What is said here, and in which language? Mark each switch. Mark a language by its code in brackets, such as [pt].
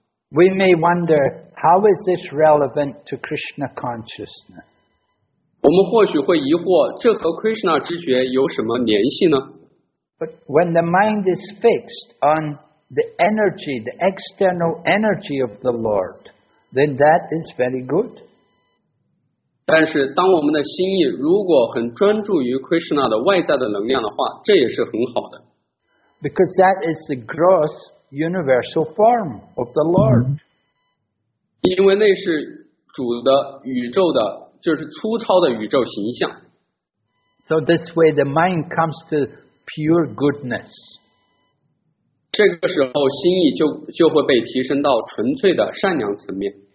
[en] We may wonder how is this relevant to Krishna consciousness? [zh] 我们或许会疑惑，这和 Krishna 知觉有什么联系呢？ [en] But when the mind is fixed on the energy, the external energy of the Lord, then that is very good. [zh] 但是当我们的心意如果很专注于 Krishna 的外在的能量的话，这也是很好的。 [en] Because that is the gross universal form of the Lord. [zh] 因为那是主的宇宙的就是粗糙的宇宙形象。 [en] So this way the mind comes to pure goodness. [zh] 这个时候心意就会被提升到纯粹的善良层面。